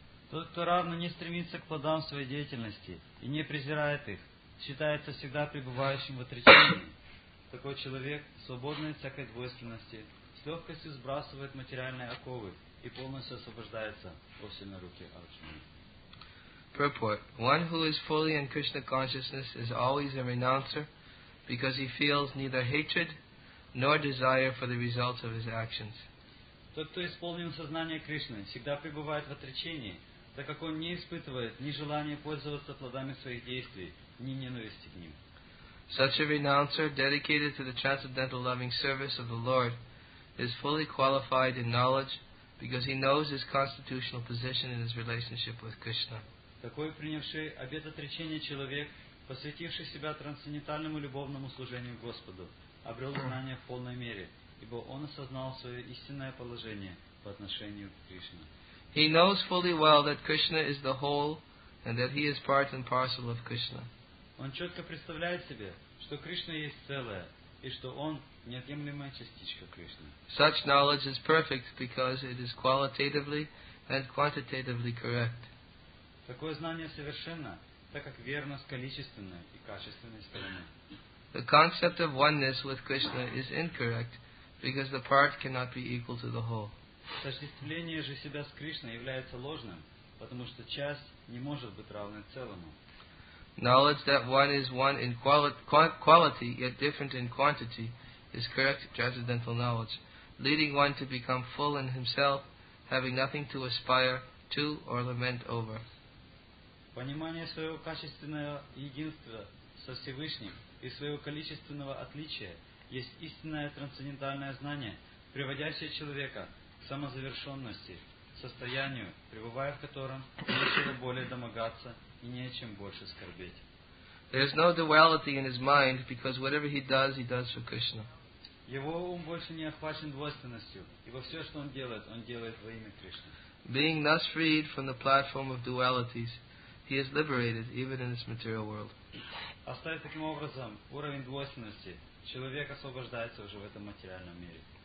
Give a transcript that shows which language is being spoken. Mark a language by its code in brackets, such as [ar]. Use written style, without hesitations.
[ru] Тот, кто равно не стремится к плодам своей деятельности и не презирает их, считается всегда пребывающим в отречении. Такой человек, свободный от всякой двойственности, с легкостью сбрасывает материальные оковы и полностью освобождается от сильной руки Арджуны. [en] Purport. One who is fully in Krishna consciousness is always a renouncer because he feels neither hatred nor desire for the results of his actions. [ru] Тот, кто исполнен сознание Кришны, всегда пребывает в отречении, так как он не испытывает ни желания пользоваться плодами своих действий, ни ненависти к ним. [en] Such a renouncer, dedicated to the transcendental loving service of the Lord, is fully qualified in knowledge because he knows his constitutional position in his relationship with Krishna. [ru] Такой принявший обет отречения человек, посвятивший себя трансцендентальному любовному служению Господу, обрел знание в полной мере, ибо он осознал свое истинное положение по отношению к Кришне. [en] He knows fully well that Krishna is the whole and that he is part and parcel of Krishna. [ru] Он четко представляет себе, что Кришна есть целое и что он неотъемлемая частичка Кришны. [en] Such knowledge is perfect because it is qualitatively and quantitatively correct. [ru] Такое знание совершенно, так как верно с количественной и качественной стороны. [en] The concept of oneness with Krishna is incorrect because the part cannot be equal to the whole. [ru] Сочетание же себя с Кришной является ложным, потому что часть не может быть равна целому. [en] Knowledge that one is one in quality yet different in quantity is correct transcendental knowledge, leading one to become full in himself, having nothing to aspire to or lament over. [ru] Понимание своего качественного единства со Всевышним и своего количественного отличия есть истинное трансцендентальное знание, приводящее человека к самозавершенности, состоянию, пребывая в котором нечего более домогаться и не о чем больше скорбеть. [en] There is no duality in his mind because whatever he does for Krishna. [ru] Его ум больше не охвачен двойственностью, ибо все, что он делает во имя Кришны. [en] Being thus freed from the platform of dualities, he is liberated even in this material world. [ru] Оставив таким образом уровень двойственности, человек освобождается уже в этом материальном мире.